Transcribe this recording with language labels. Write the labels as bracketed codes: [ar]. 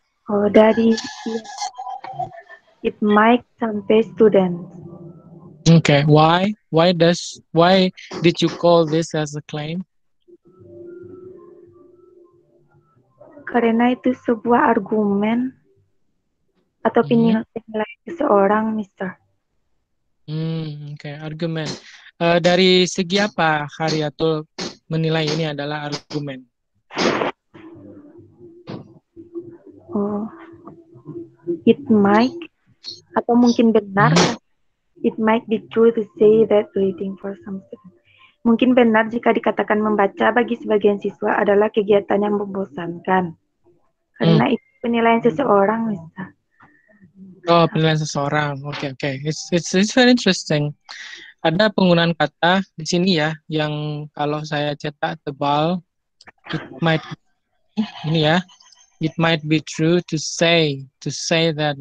[id] Oh, dari [en] it might [id] sampai student. [en] Okay, why? Why did you call this as a claim? [id] Karena itu sebuah argumen atau penilaian seseorang, Mister. [en] Okay, argumen. [id] Dari segi apa Khairiyatul menilai ini adalah argumen? Oh, [en] it might [id] atau mungkin benar. [en] It might be true to say that reading for something. [id] Mungkin benar jika dikatakan membaca bagi sebagian siswa adalah kegiatan yang membosankan. Karena itu penilaian seseorang, misalnya. [en] Oh, [id] penilaian seseorang. [en] Oke, okay, oke. Okay. It's very interesting. [id] Ada penggunaan kata di sini ya, yang kalau saya cetak tebal, [en] it might be true to say that.